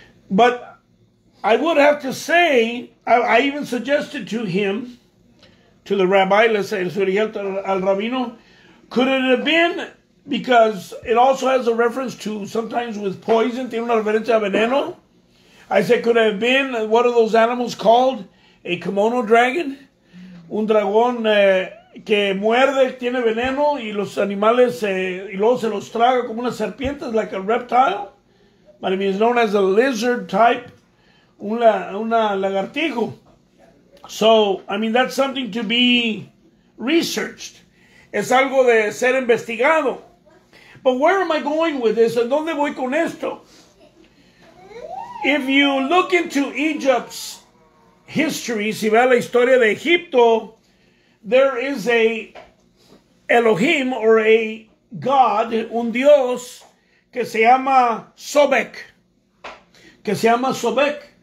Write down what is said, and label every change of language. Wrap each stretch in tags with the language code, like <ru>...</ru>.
<en>But I would have to say, I even suggested to him, to the rabbi, let's say,</en> <es>al rabino,</es> <en>could it have been, because it also has a reference to sometimes with poison,</en> <es>tiene una referencia a veneno.</es> <en>I said, could it have been, what are those animals called? A kimono dragon,</en> <es>un dragón que muerde, tiene veneno, y los animales, y luego se los traga como una serpiente,</es> <en>like a reptile. But it means known as a lizard type,</en> <es>una lagartijo.</es> <en>So, I mean, that's something to be researched.</en> <es>Es algo de ser investigado.</es> <en>But where am I going with this?</en> <es>¿Dónde voy con esto?</es> <en>If you look into Egypt's history,</en> <es>si ve la historia de Egipto,</es> <en>there is a Elohim or a God,</en> <es>un Dios, que se llama Sobek. Que se llama Sobek.</es>